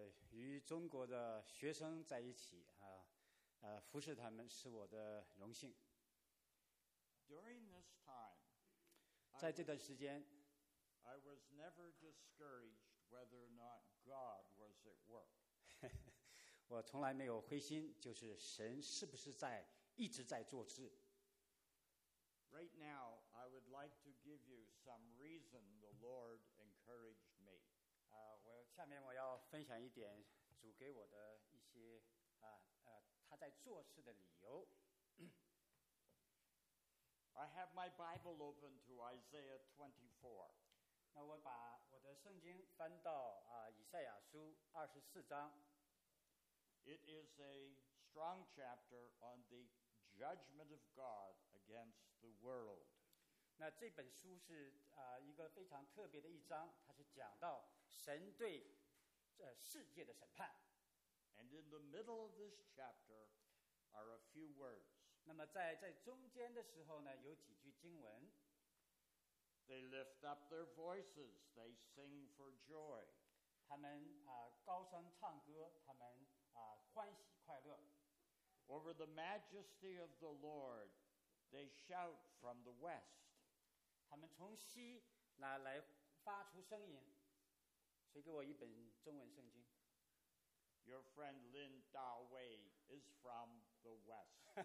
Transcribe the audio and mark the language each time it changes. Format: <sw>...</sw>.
<zh>与中国的学生在一起啊，服侍他们是我的荣幸。</zh> <en>During this time,</en> <zh>在这段时间</zh> <en>I was never discouraged whether or not God was at work.</en> <zh>我从来没有灰心，就是神是不是在一直在做事。</zh> <en>Right now, I would like to give you some reason the Lord encouraged me.</en> <zh>下面我要分享一点主给我的一些他在做事的理由。</zh> <en>I have my Bible open to Isaiah 24.</en> <zh>那我把我的圣经翻到以赛亚书24章。</zh> <en>It is a strong chapter on the judgment of God against the world.</en> <zh>那这本书是一个非常特别的一章，它是讲到神对世界的审判。</zh> <en>And in the middle of this chapter are a few words.</en> <zh>那么在中间的时候呢，有几句经文。</zh> <en>They lift up their voices, they sing for joy.</en> <zh>他们高声唱歌，他们欢喜快乐。</zh> <en>Over the majesty of the Lord, they shout from the west.</en> <zh>他们从西来发出声音。谁给我一本中文圣经？</zh> <en>Your friend Lin Dawei is from the West.</en>